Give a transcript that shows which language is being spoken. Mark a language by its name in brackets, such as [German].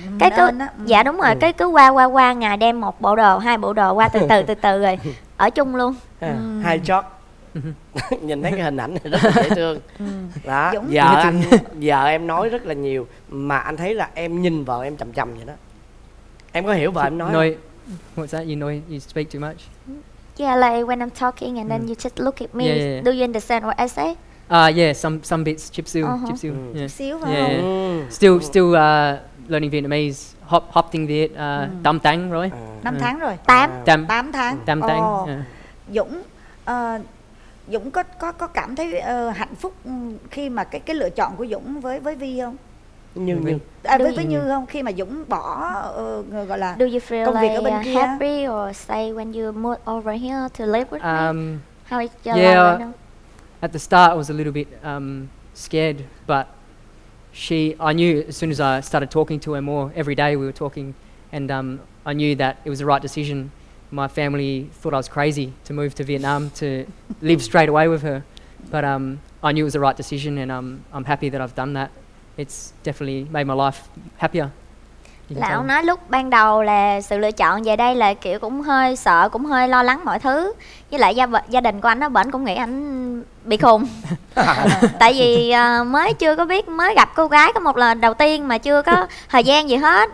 [Vietnamese] Cái cứ dạ đúng rồi, cái cứ qua ngày đem một bộ đồ, hai bộ đồ qua từ từ rồi ở chung luôn. Hai chót. Nhìn thấy cái hình ảnh này rất là dễ thương. Đó, vợ em nói rất là nhiều, mà anh thấy là em nhìn vợ em chậm chậm vậy đó. Em có hiểu vợ em nói không? [English] What's that? You know you speak too much. Yeah, like when I'm talking and then you just look at me. Yeah. Do you understand what I say? Yeah, some bits chipsil, chipsil. Chipsil. Still learning Vietnamese. [Vietnamese] Hop tiếng Việt, tám tháng rồi. 5 tháng rồi. 8. 8 tháng. 8 tháng. Dũng Dũng có cảm thấy hạnh phúc khi mà cái lựa chọn của Dũng với Vi không? Với Như không? Khi mà Dũng bỏ gọi là công việc [English] like [Vietnamese] ở bên kia. [English] Do you feel happy or say when you move over here to live with me? How is your life? At the start I was a little bit scared, but she, I knew as soon as I started talking to her more, every day we were talking, and I knew that it was the right decision. My family thought I was crazy to move to Vietnam to live straight away with her, but I knew it was the right decision, and I'm happy that I've done that. It's definitely made my life happier. [Vietnamese] Là ông nói lúc ban đầu là sự lựa chọn về đây là kiểu cũng hơi sợ, cũng hơi lo lắng mọi thứ. Với lại gia đình của anh đó, bển cũng nghĩ anh bị khùng. Tại vì mới chưa có biết, mới gặp cô gái có một lần đầu tiên mà chưa có thời gian gì hết.